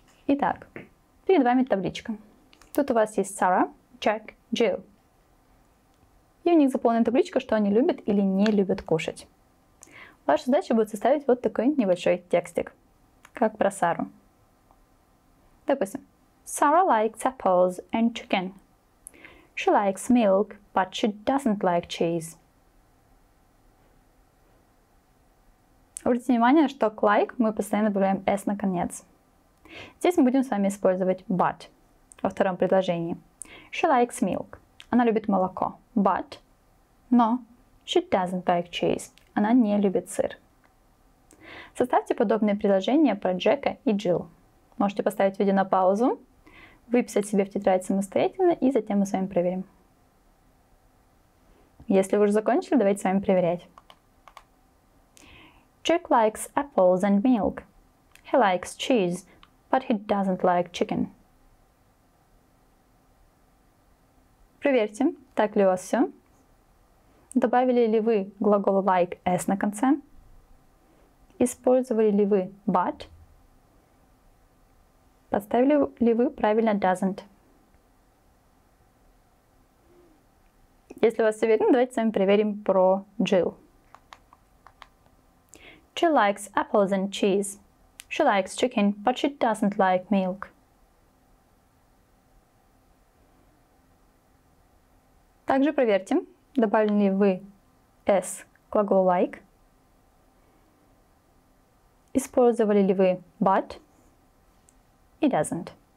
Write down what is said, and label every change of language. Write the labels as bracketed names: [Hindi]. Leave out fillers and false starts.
[Russian] Итак, перед вами табличка. Тут у вас есть Сара, Джек, Джилл. И у них заполнена табличка, что они любят или не любят кушать. Ваша задача будет составить вот такой небольшой текстик, как про Сару. Допустим, [English] Сара likes apples and chicken. She likes milk, but she doesn't like cheese. [Russian] Обратите внимание, что к like мы постоянно добавляем s на конец. Здесь мы будем с вами использовать but во втором предложении. [English] She likes milk. [Russian] Она любит молоко. [English] But. [Russian] Но. [English] She doesn't like cheese. [Russian] Она не любит сыр. Составьте подобные предложения про Джека и Джилл. Можете поставить видео на паузу, выписать себе в тетрадь самостоятельно, и затем мы с вами проверим. Если вы уже закончили, давайте с вами проверять. [English] Jack likes apples and milk. He likes cheese. But he doesn't like chicken. [Russian] Проверьте, так ли у вас все. Добавили ли вы глагол like s на конце? Использовали ли вы but? Подставили ли вы правильно doesn't? Если у вас уверенно, давайте с вами проверим про Jill. [English] She likes apples and cheese. She likes chicken, but she doesn't like milk. [Russian] Также проверьте, добавили ли вы s к глаголу like. Использовали ли вы but и doesn't.